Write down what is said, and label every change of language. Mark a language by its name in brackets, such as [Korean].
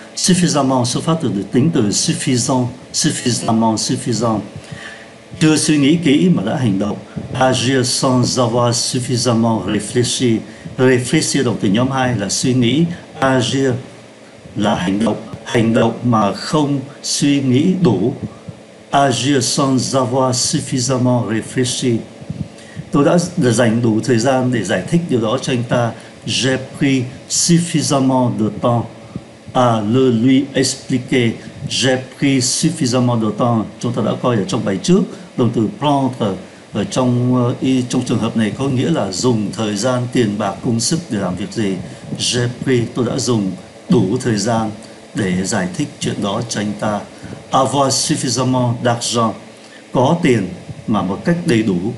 [Vietnamese] Suffisamment xuất phát từ tính từ suffisant, suffisamment, suffisant. Chưa suy nghĩ kỹ mà đã hành động, [French] agir sans avoir suffisamment réfléchi. [Vietnamese] Réfléchi động từ nhóm 2 là suy nghĩ, agir là hành động, hành động mà không suy nghĩ đủ. [French] Agir sans avoir suffisamment réfléchi. [Vietnamese] Tôi đã dành đủ thời gian để giải thích điều đó cho anh ta. [French] J'ai pris suffisamment de temps à le lui expliquer. J'ai pris suffisamment de temps. [Vietnamese] Chúng ta đã coi ở trong bài trước, động từ prendre ở trong trường hợp này có nghĩa là dùng thời gian, tiền bạc, công sức để làm việc gì. [French] J'ai pris, [Vietnamese] tôi đã dùng đủ thời gian để giải thích chuyện đó cho anh ta. [French] Avoir suffisamment d'argent, [Vietnamese] có tiền mà một cách đầy đủ.